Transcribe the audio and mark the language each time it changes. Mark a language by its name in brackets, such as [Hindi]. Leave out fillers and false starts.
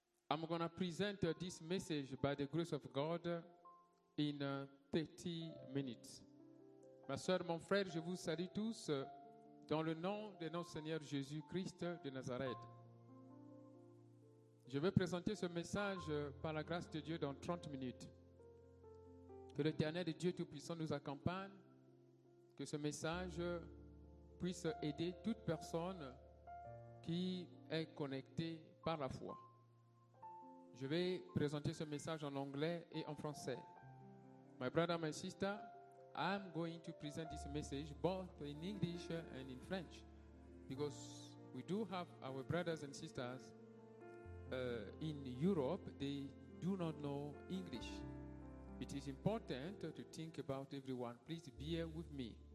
[English] I'm going to present this message by the grace of God in 30 minutes. [French] Ma soeur, mon frère, je vous salue tous dans le nom de notre Seigneur Jésus-Christ de Nazareth. Je vais présenter ce message par la grâce de Dieu dans 30 minutes. Que l'Éternel Dieu Tout-Puissant nous accompagne, que ce message puisse aider toute personne qui est connectée par la foi. Je vais présenter ce message en anglais et en français. [English] My brother, my sister, I'm going to present this message both in English and in French because we do have our brothers and sisters in Europe, they do not know English. It is important to think about everyone. Please bear with me.